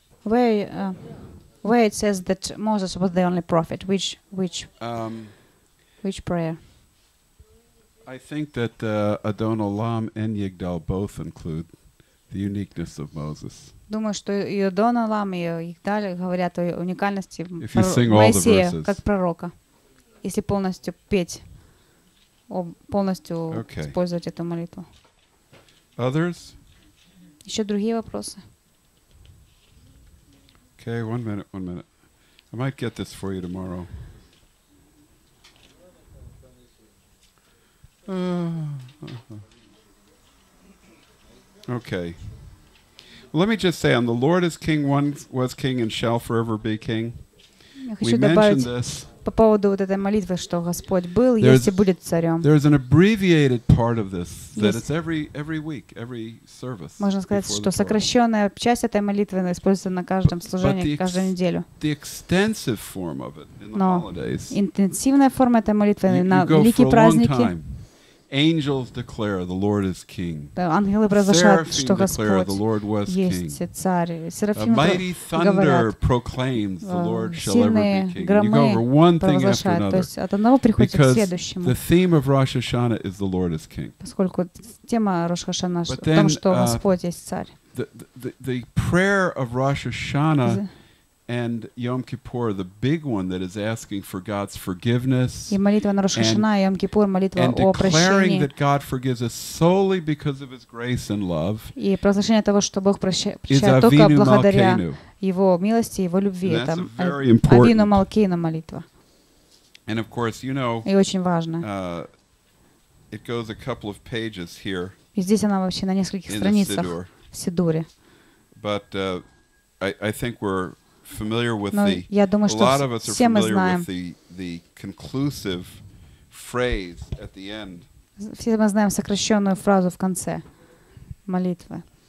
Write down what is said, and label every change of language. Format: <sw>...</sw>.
<en>Where it says that Moses was the only prophet, which prayer? I think that Adonolam and Yigdal both include the uniqueness of Moses.</en> <ru>Думаю, что и Адонолам, и Игдаль говорят о уникальности Моисея как пророка. Если полностью петь, полностью использовать эту молитву.</ru> <en>Others?</en> <ru>Еще другие вопросы?</ru> <en>Okay, one minute. I might get this for you tomorrow. Okay. Let me just say, on the Lord is King, one was King, and shall forever be King. We mentioned this.</en> <ru>По поводу вот этой молитвы, что Господь был, есть и будет царем.</ru> <en>There is an abbreviated part of this that it's every week, every service.</en> <ru>Можно сказать, что сокращенная часть этой молитвы используется на каждом служении, каждую неделю.</ru> <en>The extensive form of it in the holidays.</en> <ru>Но интенсивная форма этой молитвы на великие праздники.</ru> <en>Angels declare the Lord is King.</en> <ru>Ангелы провозглашают, что Господь есть царь. Серафимы говорят.</ru> <en>A mighty thunder proclaims the Lord shall ever be King. You go over one thing after another.</en> <ru>То есть от одного приходит к следующему.</ru> <en>The theme of Rosh Hashanah is the Lord is King.</en> <ru>Поскольку тема Рош Хашана в том, что Господь есть царь.</ru> <en>The prayer of Rosh Hashanah and Yom Kippur, the big one that is asking for God's forgiveness and declaring that God forgives us solely because of His grace and love is Avinu Malkeinu.</en> <ru>Его милости, его любви.</ru> <en>And that's a very important</en> <ru>Avinu Malkeinu молитва.</ru> <en>And of course, you know, it goes a couple of pages here in the Siddur. But I think we're familiar with a lot of us are familiar with the conclusive phrase at the end.</en> <ru>Все мы знаем сокращенную фразу в конце молитвы.</ru>